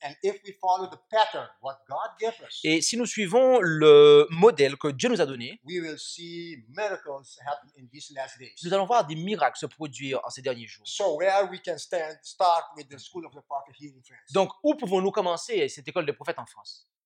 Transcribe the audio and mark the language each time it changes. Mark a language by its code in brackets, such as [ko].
[en] And if we follow the pattern, what God gave us, [fr] et si nous suivons le modèle que Dieu nous a donné, [en] we will see miracles happen in these last days. [fr] Nous allons voir des miracles se produire en ces derniers jours. [en] So where we can start with the school of the prophet here in France. [fr] Donc, où pouvons-nous commencer cette école des prophètes en France?